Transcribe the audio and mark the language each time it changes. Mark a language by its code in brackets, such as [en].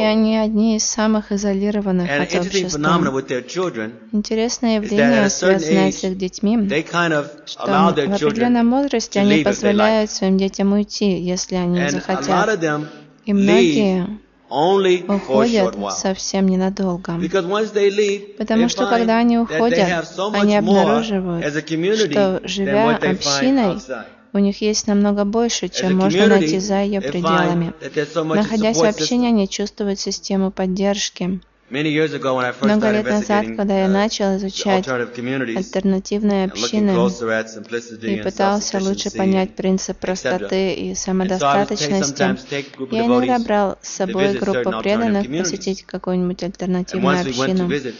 [ru] И они одни из самых изолированных от общества. [en] And interesting phenomenon with their children. [ru] Интересное явление, связанное с их детьми. [en] They kind of allow their children to leave if they like. [ru] Они позволяют своим детям уйти, если они захотят. [en] And a lot of them leave. Only for a short while. Because once they leave, [ru] потому [en] they find that they have so much more as a community than what they find outside. As a community, [ru] у них есть намного больше, чем можно найти за ее пределами. Находясь в общине, они чувствуют систему поддержки. Много лет назад, когда я начал изучать альтернативные общины и пытался лучше понять принцип простоты и самодостаточности, я иногда брал с собой группу преданных посетить какую-нибудь альтернативную общину.